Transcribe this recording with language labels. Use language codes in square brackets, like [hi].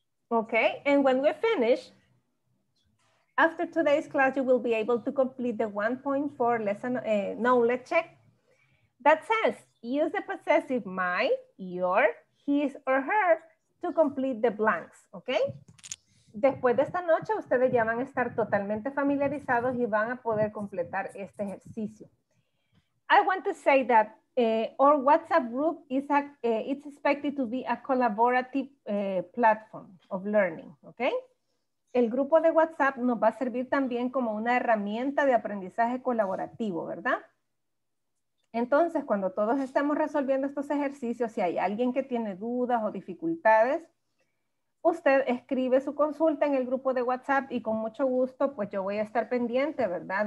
[en] Okay, and when we finish, after today's class, you will be able to complete the 1.4 lesson knowledge check that says, use the possessive my, your, his or her to complete the blanks, okay? [es] Después de esta noche, ustedes ya van a estar totalmente familiarizados y van a poder completar este ejercicio. [en] I want to say that our WhatsApp group is it's expected to be a collaborative platform of learning, okay? [es] El grupo de WhatsApp nos va a servir también como una herramienta de aprendizaje colaborativo, ¿verdad? Entonces, cuando todos estemos resolviendo estos ejercicios, si hay alguien que tiene dudas o dificultades, usted escribe su consulta en el grupo de WhatsApp y con mucho gusto, pues yo voy a estar pendiente, ¿verdad?